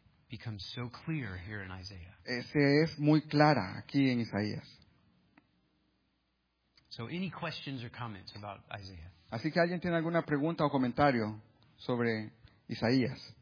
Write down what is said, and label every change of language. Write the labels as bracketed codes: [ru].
[en] becomes so clear here in Isaiah. [es] Se es muy clara aquí en Isaías. [en] So any questions or comments about Isaiah? [es] Así que alguien tiene alguna pregunta o comentario sobre Isaías.